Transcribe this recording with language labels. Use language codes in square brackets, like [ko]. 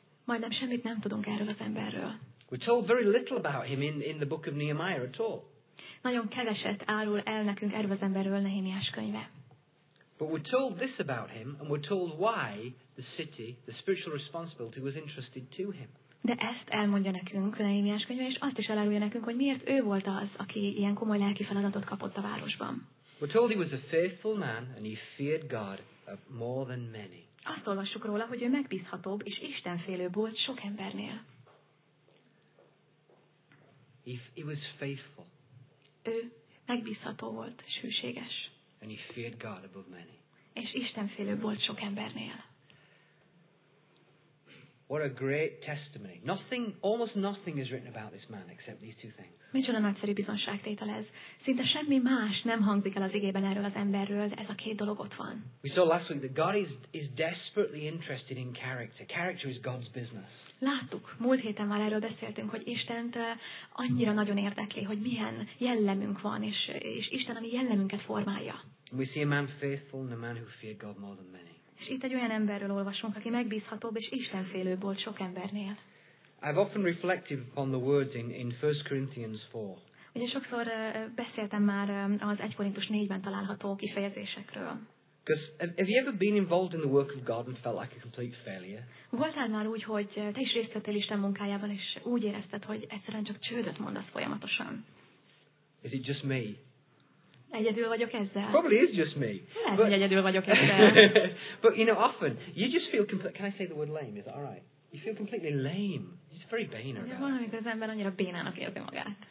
[hu] Majdnem semmit nem tudunk erről az emberről. [en] We're told very little about him in the book of Nehemiah at all. [hu] Nagyon keveset árul el nekünk erről az emberről Nehémiás könyve. [en] But we're told this about him, and we're told why the city, the spiritual responsibility was entrusted to him. [hu] De ezt elmondja nekünk Nehémiás könyve, és azt is elárulja nekünk, hogy miért ő volt az, aki ilyen komoly lelki feladatot kapott a városban. [en] We're told he was a faithful man, and he feared God more than many. [hu] Azt olvassuk róla, hogy ő megbízhatóbb és istenfélőbb volt sok embernél. [en] He was faithful. [hu] Ő megbízható volt, és hűséges. [en] And he feared God above many. [hu] És istenfélő volt sok embernél. [en] What a great testimony. Nothing, almost nothing is written about this man except these two things. [hu] Micsoda nagyszerű bizonságtétel ez. Szinte semmi más nem hangzik el az igében erről az emberről, de ez a két dolog ott van. [en] We saw last week that God is desperately interested in character. Character is God's business. [hu] Láttuk, múlt héten már erről beszéltünk, hogy Istent annyira nagyon érdekli, hogy milyen jellemünk van, és Isten a mi jellemünket formálja. [en] We see a man faithful and a man who feared God more than many. [hu] És itt egy olyan emberről olvasunk, aki megbízhatóbb és istenfélő volt sok embernél. [en] I've often reflected upon the words in 1 Corinthians 4. [hu] Ugye sokszor beszéltem már az 1 Korintus 4-ben található kifejezésekről. [en] Have you ever been involved in the work of God and felt like a complete failure? [hu] Voltál már úgy, hogy te is részt vettél Isten munkájában, és úgy érezted, hogy egyszerűen csak csődöt mondasz folyamatosan? [en] Is it just me? [hu] Egyedül vagyok ezzel. [en] Probably is just me. [hu] Lehet, hogy egyedül vagyok ezzel. [en] But you know, often you just feel complete. Can I say the word lame? Is that all right? You feel completely lame. It's very banal. [hu] Van, amikor az ember annyira bénának érzi magát.